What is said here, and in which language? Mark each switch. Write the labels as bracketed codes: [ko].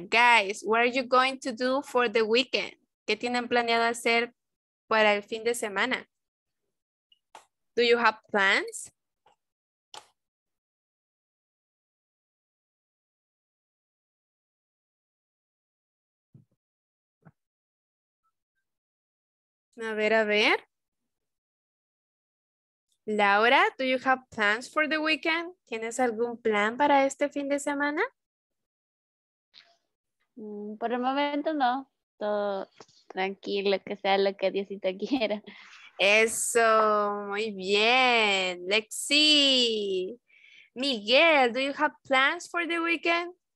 [en] Guys, what are you going to do for the weekend? [es] ¿Qué tienen planeado hacer para el fin de semana? [en] Do you have plans? [es] A ver. [en] Laura, do you have plans for the weekend? [es] ¿Tienes algún plan para este fin de semana? Por el momento no, todo tranquilo, que sea lo que Diosito quiera. Eso, muy bien. [en] Lexi, Miguel, do you have plans for the weekend?